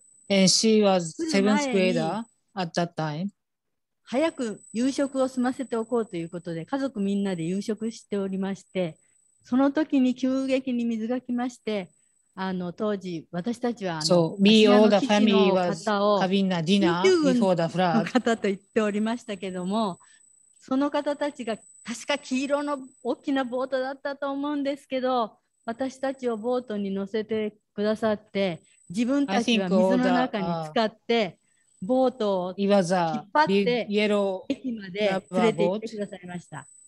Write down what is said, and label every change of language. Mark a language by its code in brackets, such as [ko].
[en] And she was seventh grader at that time. [ja] 早く夕食を済ませておこうということで、家族みんなで夕食しておりまして、その時に急激に水が来まして、当時私たちは、 [en] So, we all the family was having a dinner before the flood. [ja] 方と言っておりましたけども、その方たちが確か黄色の大きなボートだったと思うんですけど、私たちをボートに乗せてくださって、自分たちは水の中に浸かって、ボートを引っ張って駅まで連れて行ってくださいました。